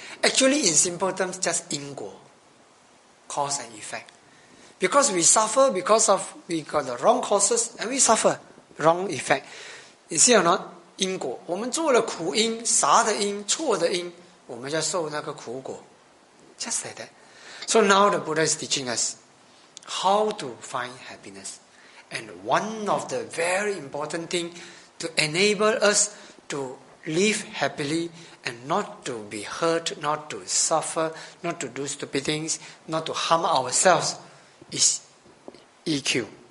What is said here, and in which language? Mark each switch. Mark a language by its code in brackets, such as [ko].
[en] Actually, in simple terms, just 因果, cause and effect. Because we suffer because of we got the wrong causes and we suffer wrong effect. You see or not? 因果. [zh] 我们做了苦因, 傻的因, 错的因, 我们就受那个苦果. [en] Just like that. So now the Buddha is teaching us how to find happiness. And one of the very important thing to enable us to live happily and not to be hurt, not to suffer, not to do stupid things, not to harm ourselves, is EQ.